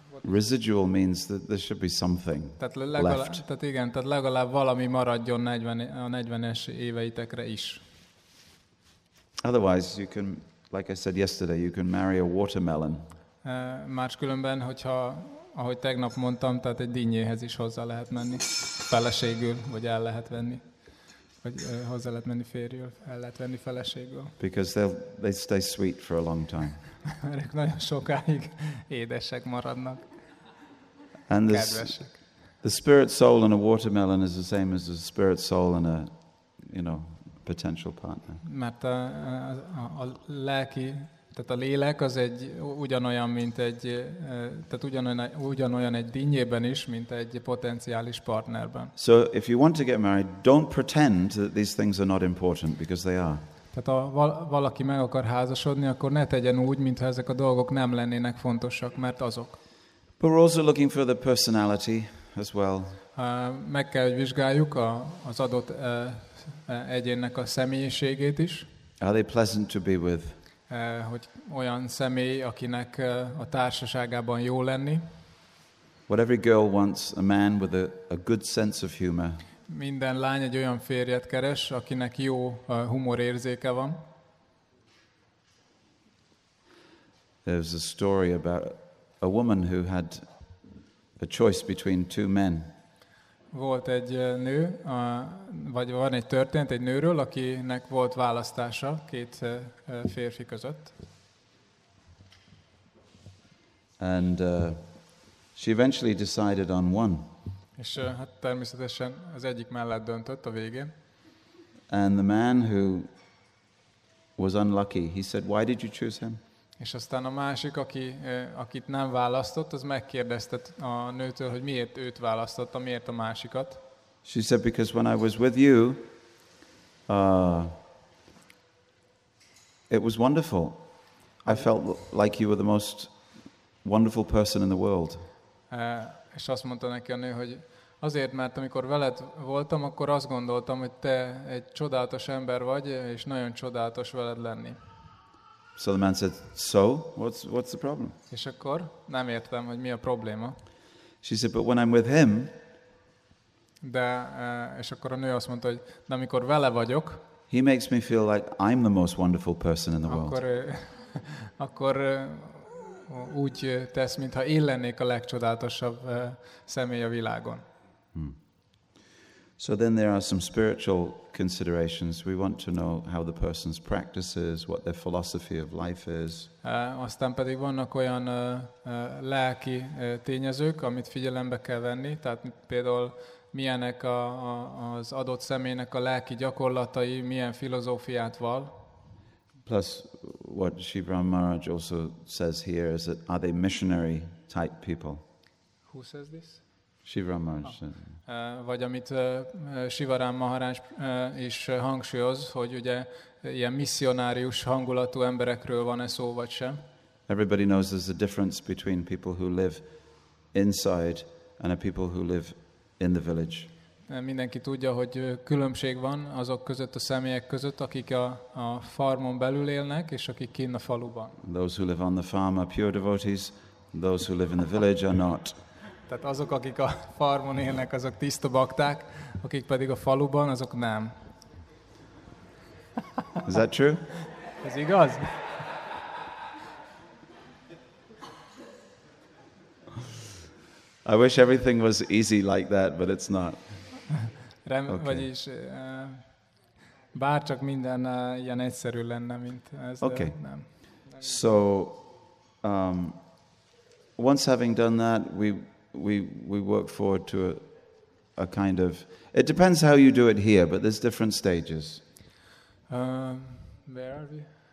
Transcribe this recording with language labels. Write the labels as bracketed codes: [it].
[en] Residual means that there should be something left. [hu] Tehát igen, tehát legalább valami maradjon a 40-es éveitekre is. [en] Otherwise, you can Like I said yesterday, you can marry a watermelon. [hu] Máskülönben, hogyha, ahogy tegnap mondtam, tehát egy dinnyéhez is hozzá lehet menni, feleségül, vagy el lehet venni, vagy hozzá lehet menni férjül, el lehet venni feleségül. [en] Because they stay sweet for a long time. [hu] Mert nagyon sokáig édesek maradnak. And kedvesek. [en] The spirit soul in a watermelon is the same as the spirit soul in a, you know, potential partner. [hu] Mert a lelki, tehát a lélek az egy ugyanolyan, mint egy, tehát ugyanolyan egy dinnyében is, mint egy potenciális partnerben. [en] So if you want to get married, don't pretend that these things are not important, because they are. [hu] Tehát ha valaki meg akar házasodni, akkor ne tegyen úgy, mintha ezek a dolgok nem lennének fontosak, mert azok. [en] But we're also looking for the personality as well. [hu] Meg kell, hogy vizsgáljuk az adott egyénnek a személyiségét is. [en] Are they pleasant to be with? [hu] Hogy olyan személy, akinek a társaságában jó lenni. [en] What every girl wants, a man with a good sense of humor. [hu] Minden lány egy olyan férjet keres, akinek jó humorérzéke van. [en] There's a story about a woman who had a choice between two men. [hu] Volt egy nő, vagy van egy történet egy nőről, akinek volt választása két férfi között. [en] And she eventually decided on one. [hu] És hát természetesen az egyik mellett döntött a végén. [en] And the man who was unlucky, he said, why did you choose him? [hu] És aztán a másik, akit nem választott, az megkérdezte a nőtől, hogy miért őt választotta, miért a másikat. [en] She said, because when I was with you, it was wonderful. I felt like you were the most wonderful person in the world. [hu] És azt mondta neki a nő, hogy azért, mert amikor veled voltam, akkor azt gondoltam, hogy te egy csodálatos ember vagy, és nagyon csodálatos veled lenni. [en] So the man said, so, what's the problem? [hu] És akkor nem értem, hogy mi a probléma. [en] She said, but when I'm with him. [hu] De, és akkor a nő azt mondta, hogy de amikor vele vagyok. [en] He makes me feel like I'm the most wonderful person in the world. [hu] Akkor úgy tesz, mintha én lennék a legcsodálatosabb személy a világon. [en] So then there are some spiritual considerations. We want to know how the person's practices, what their philosophy of life is. [hu] Aztán pedig vannak olyan lelki tényezők, amit figyelembe kell venni. Tehát például milyenek az adott személynek a lelki gyakorlatai, milyen filozófiát val. [en] Plus what Sri Brahma Maharaj also says here is that are they missionary type people? Who says this? Sivaram Maharaj. [hu] Vagy amit Sivaram Maharaj is hangsúlyoz, hogy ugye ilyen misszionárius hangulatú emberekről van-e szó, vagy sem. [en] Everybody knows there's a difference between people who live inside and a people who live in the village. [hu] Mindenki tudja, hogy különbség van azok között a személyek között, akik a farmon belül élnek, és akik kint a faluban. [en] Those who live on the farm are pure devotees, those who live in the village are not. [hu] Tehát azok, akik a farmon élnek, azok tiszta bakták, akik pedig a faluban, azok nem. [en] Is that true? [hu] Ez igaz? [en] I wish everything was easy like that, but it's not. Okay. [hu] Vagyis bárcsak minden ilyen egyszerű lenne, mint ez, okay. Nem. [en] So, once having done that, we work forward to a kind of, it depends how you do it here, but there's different stages. Where are we?